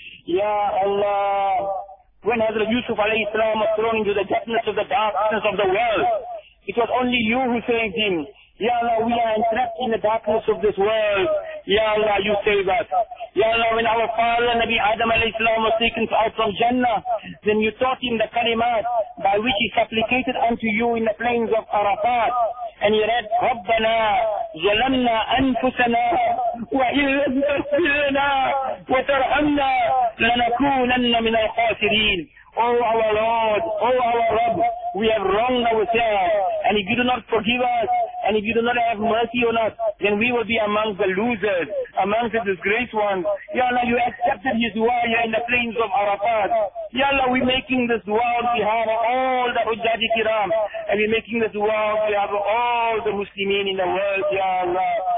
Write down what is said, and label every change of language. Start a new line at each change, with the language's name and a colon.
English: Ya Allah, when Hazrat Yusuf alayhi salam was thrown into the depths of the darkness of the world, it was only you who saved him. Ya Allah, we are entrapped in the darkness of this world. Ya Allah, you save us. Ya Allah, when our father, Nabi Adam alayhi salam, was taken out from Jannah, then you taught him the kalimat by which he supplicated unto you in the plains of Arafat. And he read,
Arabic: رَبَّنَا ظَلَمْنَا أَنفُسَنَا وَإِنْ لَمْ تَغْفِرْ لَنَا وَتَرْحَمْنَا لَنَكُونَنَّ مِنَ الْخَاسِرِينَ.
English: Oh our Lord, oh our Rabb, we have wronged ourselves, and if you do not forgive us, and if you do not have mercy on us, then we will be among the losers, among the disgraced ones. Ya Allah, you accepted his dua here in the plains of Arafat. Ya Allah, we're making this dua on behalf of all the Hujjaji Kiram, and we're making this dua on behalf of all the Muslimin in the world, Ya Allah.